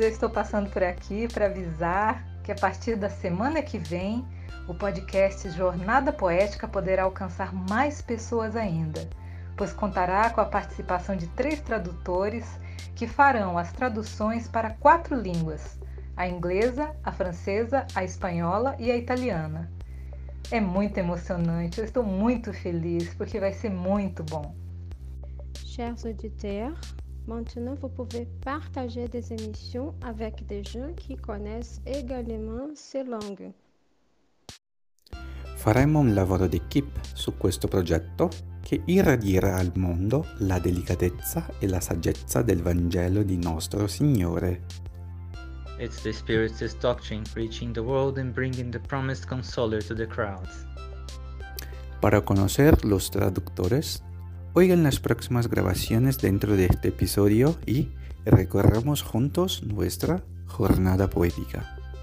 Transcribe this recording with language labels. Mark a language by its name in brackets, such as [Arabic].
[Portuguese] Eu estou passando por aqui para avisar que a partir da semana que vem, o podcast Jornada Poética poderá alcançar mais pessoas ainda, pois contará com a participação de três tradutores que farão as traduções para quatro línguas: a inglesa, a francesa, a espanhola e a italiana. É muito emocionante. Eu estou muito feliz porque vai ser muito bom. [French] Chers auditeurs, maintenant vous pouvez partager des émissions avec des gens qui connaissent également ces langues. [Italian] Faremo un lavoro d'équipe su questo progetto che irradierà al mondo la delicatezza e la saggezza del Vangelo di nostro Signore. [English] It's the Spirit's doctrine reaching the world and bringing the promised consoler to the crowds. [Spanish] Para conocer los traductores, oigan las próximas grabaciones dentro de este episodio y recorramos juntos nuestra jornada poética.